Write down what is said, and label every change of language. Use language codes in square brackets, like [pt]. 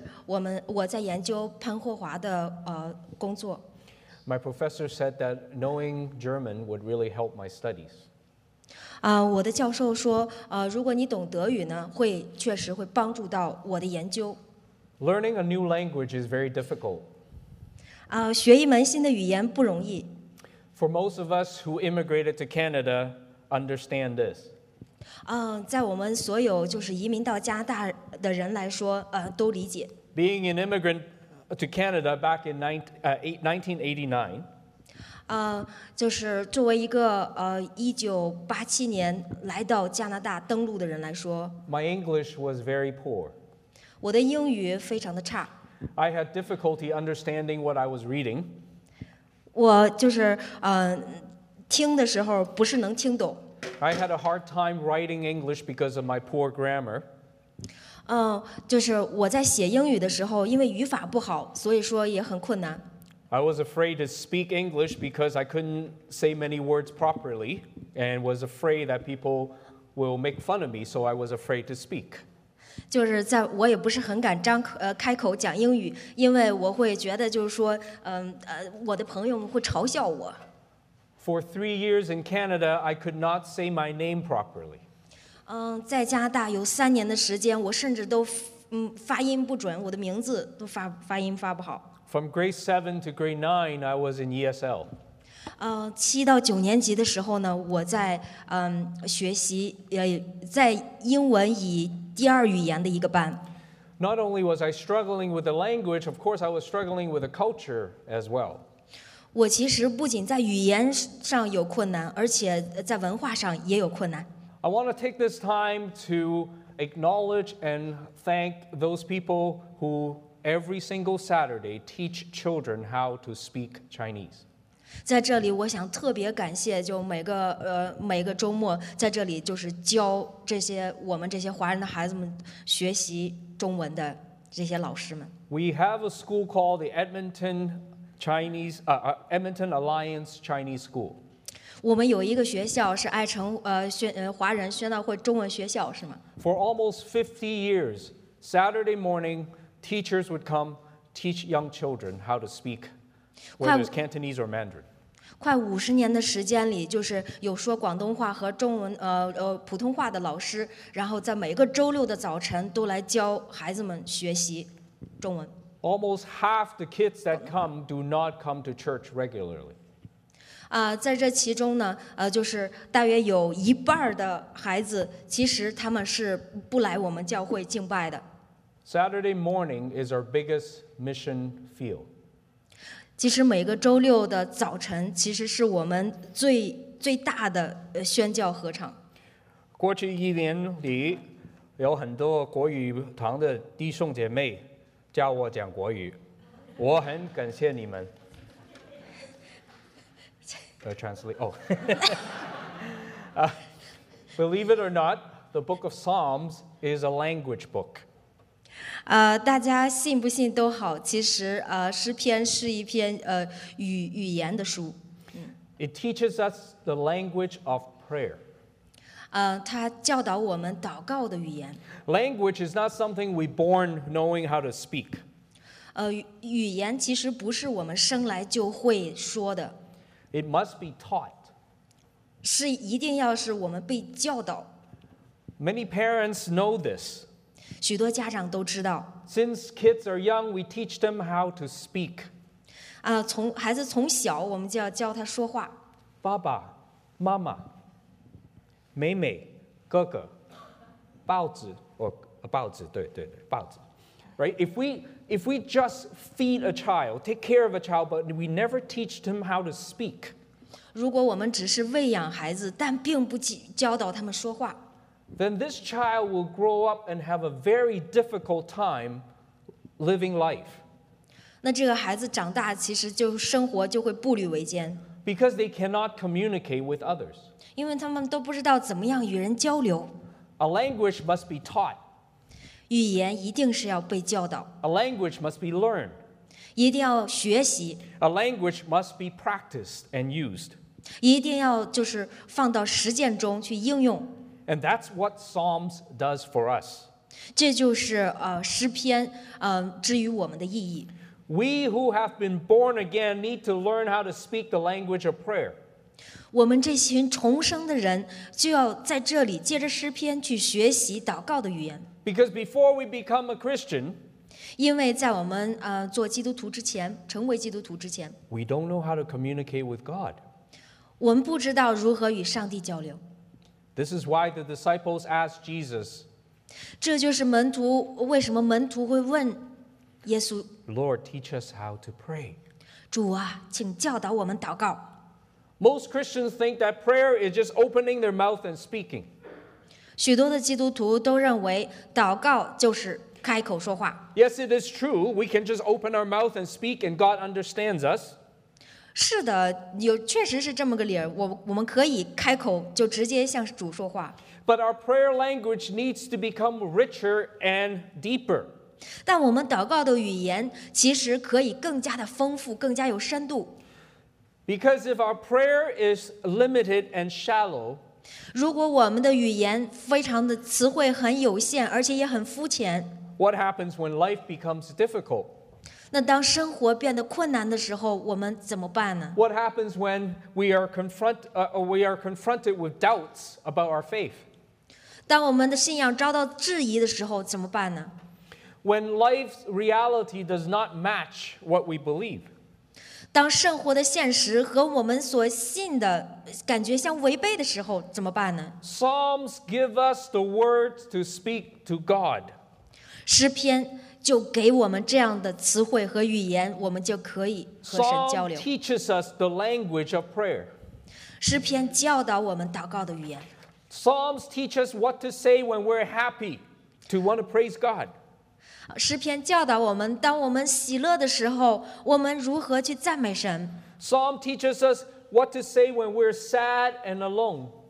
[zh] 我在研究潘霍华的工作。 [en] My professor said that knowing German would really help my studies. [zh] 我的教授说，如果你懂德语呢，会确实会帮助到我的研究。 [en] Learning a new language is very difficult. [zh] 学一门新的语言不容易。 [en] For most of us who immigrated to Canada, understand this. [zh] 在我们所有就是移民到加拿大的人来说，都理解。 [en] Being an immigrant to Canada back in 1989. [zh] 就是作为一个1987年来到加拿大登陆的人来说。 [en] My English was very poor. [zh] 我的英语非常的差。 [en] I had difficulty understanding what I was reading. [zh] 我就是听的时候不是能听懂。 [en] I had a hard time writing English because of my poor grammar. [zh] 就是我在写英语的时候，因为语法不好，所以说也很困难。 [en] I was afraid to speak English because I couldn't say many words properly, and was afraid that people will make fun of me, so I was afraid to speak. [zh] 就是在我也不是很敢张口开口讲英语，因为我会觉得就是说，我的朋友们会嘲笑我。 [en] For 3 years in Canada, I could not say my name properly. [zh] 在加拿大有三年的时间，我甚至都发音不准，我的名字都发音不好。 [en] From grade 7 to grade 9, I was in ESL. [zh] 七到九年级的时候呢，我在学习在英文以第二语言的一个班。 [en] Not only was I struggling with the language, of course, I was struggling with the culture as well. [zh] 我其实不仅在语言上有困难，而且在文化上也有困难。 [en] I want to take this time to acknowledge and thank those people who every single Saturday teach children how to speak Chinese. [zh] 在这里，我想特别感谢，就每个周末在这里就是教这些我们这些华人的孩子们学习中文的这些老师们。 [en] We have a school called the Edmonton. Edmonton Alliance Chinese School. [zh] 我们有一个学校是爱城华人宣道会中文学校，是吗？ [en] For almost 50 years, Saturday morning, teachers would come teach young children how to speak, whether it's Cantonese or Mandarin. [zh] 快五十年的时间里，就是有说广东话和中文普通话的老师，然后在每个周六的早晨都来教孩子们学习中文。 [en] Almost half the kids that come do not come to church regularly. [zh] 在这其中呢，就是大约有一半的孩子，其实他们是不来我们教会敬拜的。 [en] Saturday morning is our biggest mission field. [zh] 其实每个周六的早晨，其实是我们最大的宣教合唱。过去一年里，有很多国语堂的弟兄姐妹。教我讲国语，我很感谢你们。 [en] Translate. Oh. believe it or not, the Book of Psalms is a language book. [zh] 大家信不信都好，其实诗篇是一篇语言的书。 [en] It teaches us the language of prayer. [zh] 它教导我们祷告的语言。 [en] Language is not something we born knowing how to speak. [zh] 语言其实不是我们生来就会说的。 [en] It must be taught. [zh] 是一定要是我们被教导。 [en] Many parents know this. [zh] 许多家长都知道。 [en] Since kids are young, we teach them how to speak. [zh] 从孩子从小，我们就要教他说话。爸爸、妈妈、妹妹、哥哥、报纸，报纸，对对对，报纸。 [en] Right? If we just feed a child, take care of a child, but we never teach them how to speak. [zh] 如果我们只是喂养孩子，但并不教导他们说话， [en] then this child will grow up and have a very difficult time living life. [zh] 那这个孩子长大，其实就生活就会步履维艰。 [en] Because they cannot communicate with others. [zh] 因为他们都不知道怎么样与人交流。 [en] A language must be taught. [zh] 语言一定是要被教导。 [en] A language must be learned. [zh] 一定要学习。 [en] A language must be practiced and used. [zh] 一定要就是放到实践中去应用。 [en] And that's what Psalms does for us. [zh] 这就是诗篇之于我们的意义。 [en] We who have been born again need to learn how to speak the language of prayer. [zh] 我们这群重生的人就要在这里借着诗篇去学习祷告的语言。 [en] Because before we become a Christian, [zh] 因为在我们做基督徒之前，成为基督徒之前， [en] we don't know how to communicate with God. [zh] 我们不知道如何与上帝交流。 [en] This is why the disciples asked Jesus. [zh] 这就是门徒为什么门徒会问耶稣。 [en] Lord, teach us how to pray. [zh] 主啊，请教导我们祷告。 [en] Most Christians think that prayer is just opening their mouth and speaking. [zh] 许多的基督徒都认为祷告就是开口说话。 [en] Yes, it is true. We can just open our mouth and speak, and God understands us. [zh] 是的，有确实是这么个理儿。我们可以开口就直接向主说话。 [en] But our prayer language needs to become richer and deeper. [zh] 但我们祷告的语言其实可以更加的丰富，更加有深度。 [en] Because if our prayer is limited and shallow, [zh] 如果我们的语言非常的词汇很有限，而且也很肤浅， [en] What happens when life becomes difficult? [zh] 那当生活变得困难的时候，我们怎么办呢？ [en] What happens when we are confronted with doubts about our faith? [zh] 当我们的信仰遭到质疑的时候，怎么办呢？ [en] When life's reality does not match what we believe. [zh] 当生活的现实和我们所信的感觉相违背的时候，怎么办呢？ [en] Psalms give us the words to speak to God. [zh] 诗篇就给我们这样的词汇和语言，我们就可以和神交流。 [en] Psalm teaches us the language of prayer. [zh] 诗篇教导我们祷告的语言。 [en] Psalms teach us what to say when we're happy to want to praise God. [zh] 诗篇教导我们，当我们喜乐的时候，我们如何去赞美神。 [en] Psalm teaches us what to say when we're sad and alone.